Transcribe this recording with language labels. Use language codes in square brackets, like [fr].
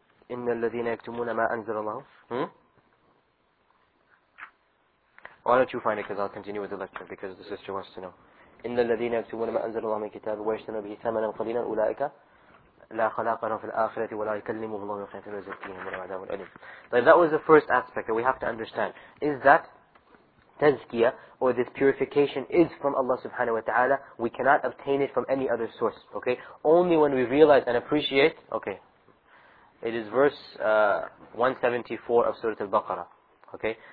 [ar] إن الذين يكتمون ما أنزل الله. [en] Why don't you find it? Because I'll continue with the lecture because the sister wants to know. [ar] إن الذين يكتمون ما أنزل الله من كتاب ويشترون به ثمنا قليلا أولئك لا خلاق لهم في الآخرة ولا يكلمهم الله ولا يزكيهم ولا عذاب أليم. [en] That was the first aspect that we have to understand. Is that tazkiyah or this purification is from Allah subhanahu wa ta'ala. We cannot obtain it from any other source. Okay. Only when we realize and appreciate. Okay. It is verse 174 of Surah Al-Baqarah. Okay?